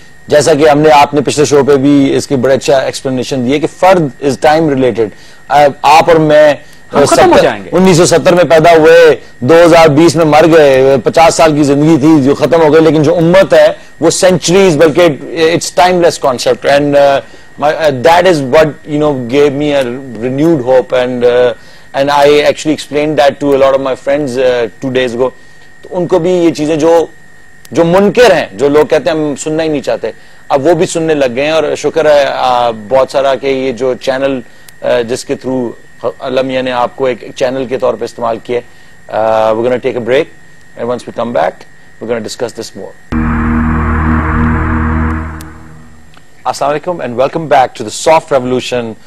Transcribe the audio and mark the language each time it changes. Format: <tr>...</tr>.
<ur>جیسا کہ ہم نے آپ نے پچھلے شو پہ بھی اس کی بڑے اچھا ایکسپلینیشن دی ہے کہ فرد</ur> <en>Is time related.</en> <ur>آپ اور میں 1970 میں پیدا ہوئے, 2020 میں مر گئے, 50 سال کی زندگی تھی جو ختم ہو گئی, لیکن جو امت ہے وہ سینچریز, بلکہ</ur> <en>It's timeless concept. And that is what you know gave me a renewed hope. And I actually explain that to a lot of my friends 2 days ago.</en> <ur>تو ان کو بھی یہ چیزیں جو منکر ہیں, جو لوگ کہتے ہیں ہم سننا ہی نہیں چاہتے, اب وہ بھی سننے لگ گئے ہیں. اور شکر ہے بہت سارا کہ یہ جو چینل جس کے تھرو المیہ نے آپ کو ایک چینل کے طور پہ استعمال کیا.</ur> <en>We gonna take a break, and once we come back we gonna discuss this more. السلام علیکم and welcome back to the soft revolution.</en>